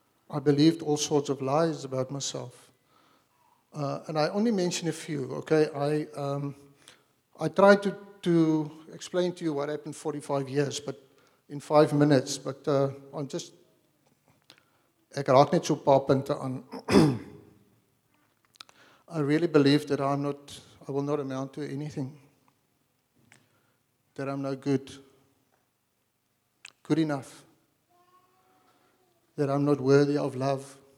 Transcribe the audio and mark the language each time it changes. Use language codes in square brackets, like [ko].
[en] I believed all sorts of lies about myself. And I only mention a few, okay? I tried to explain to you what happened 45 years, but in 5 minutes, but I'm just... [af] Ek raak net so paar punte aan. [en] I really believe that I will not amount to anything. That I'm no good. Good enough. That I'm not worthy of love.